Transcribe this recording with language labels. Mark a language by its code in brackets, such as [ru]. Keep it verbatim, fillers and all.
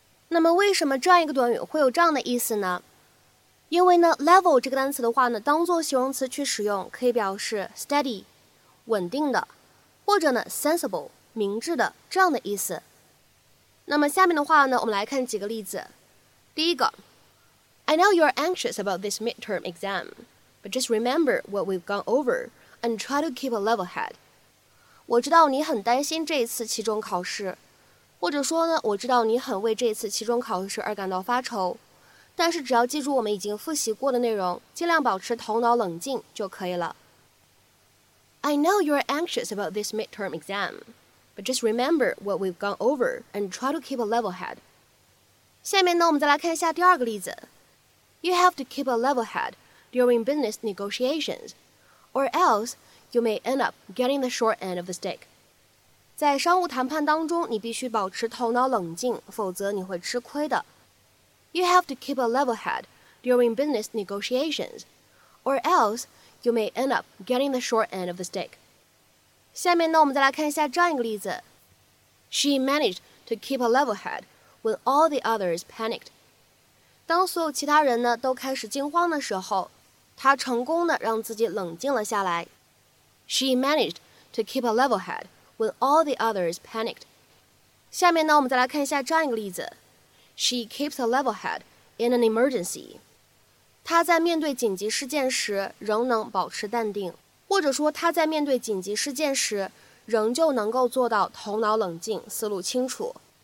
[zh] 那么为什么这样一个短语会有这样的意思呢？因为呢 level 这个单词的话呢，当做形容词去使用，可以表示 steady 稳定的，或者呢 sensible 明智的这样的意思。那么下面的话呢，我们来看几个例子。第一个 [en] I know you're anxious about this midterm exam, but just remember what we've gone over and try to keep a level head. [zh] 我知道你很担心这一次期中考试，或者说呢，我知道你很为这一次期中考试而感到发愁，但是只要记住我们已经复习过的内容，尽量保持头脑冷静就可以了。 [en] I know you're anxious about this midterm exam, but just remember what we've gone over and try to keep a level head. [zh] 下面呢，我们再来看一下第二个例子。 [en] You have to keep a level head during business negotiations, or else you may end up getting the short end of the stick. [zh] 在商务谈判当中，你必须保持头脑冷静，否则你会吃亏的。 [en] You have to keep a level head during business negotiations, or else you may end up getting the short end of the stick. [zh] 下面呢，我们再来看一下这样一个例子。 [en] She managed to keep a level head when all the others panicked. [zh] 当所有其他人呢都开始惊慌的时候，她成功的让自己冷静了下来。 [en] She managed to keep a level head when all the others panicked. [zh] 下面呢，我们再来看一下这样一个例子。 [en] She keeps a level head in an emergency. [zh] 她在面对紧急事件时仍能保持淡定，或者说她在面对紧急事件时仍旧能够做到头脑冷静，思路清楚。